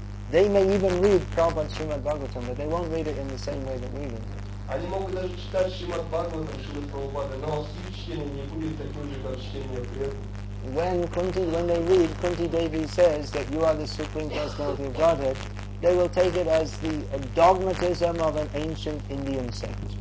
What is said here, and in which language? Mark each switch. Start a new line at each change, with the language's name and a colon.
English: They may even read Prabhupada Srimad Bhagavatam, but they won't read it in the same way that we read it.
Russian: Они могут даже читать Шримад Бхагаватам, Шримад Прабхупада, но их чтение не будет таким же, как чтение преданных.
English: When they read, Kunti Devi says that you are the Supreme Personality of Godhead, they will take it as the dogmatism of an ancient Indian sect.